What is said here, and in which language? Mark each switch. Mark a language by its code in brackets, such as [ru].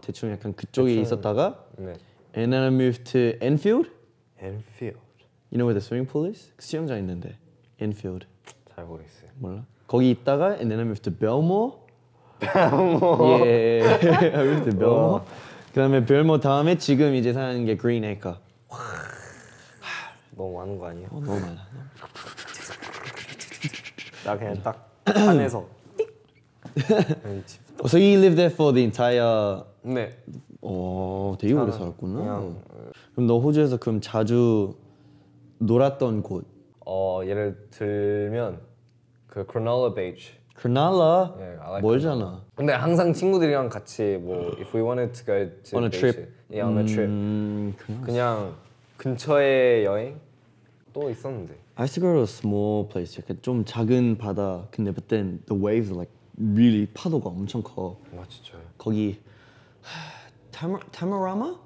[ko] 대충 약간 그쪽에 대충, 있었다가 네. [en] And then I moved to Enfield. Enfield. You know where the swimming pool is? [ko] 그 수영장 있는데 Enfield. 잘 모르겠어요. 몰라? 거기 있다가 [en] and then I moved to Belmore. Belmore. Yeah. Belmore. [ko] 그다음에 Belmore 다음에 지금 이제 사는 게 Green Acre. 와. 너무 많은 거 아니야? 너무 많아. 나 그냥 딱 산에서. [en] 어, so you lived there for the entire. [ko] 네. 되게 오래 살았구나. 그냥, 그럼 너 호주에서 그럼 자주 놀았던 곳? 예를 들면 그 Cronulla Beach. Cronulla? [en] Yeah, I like [ko] 멀잖아. 근데 항상 친구들이랑 같이 뭐 [en] if we wanted to go to on a trip. Yeah, on a trip. [ko] 그냥 근처에 여행 또 있었는데. [en] I used to go to a small place. [ko] 약간 좀 작은 바다. [en] 근데 but then the waves are like really [ko] 파도가 엄청 커. 맞죠. 거기 Tamarama?